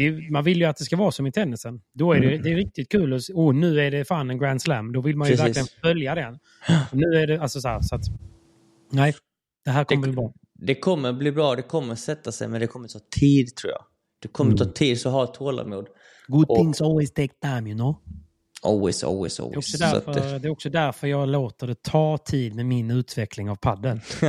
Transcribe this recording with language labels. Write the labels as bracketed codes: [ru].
[sv] Man vill ju att det ska vara som i tennisen. Då är det är riktigt kul. Och nu är det fan en Grand Slam. Då vill man ju verkligen följa den. Och nu är det alltså så här. Så att, nej, det här kommer bli bra. Det kommer bli bra, det kommer sätta sig, men det kommer ta tid, tror jag. Det kommer ta tid, så ha tålamod. [en] Good things always take time, you know? Always. [sv] Det är också därför, jag låter det ta tid med min utveckling av padden.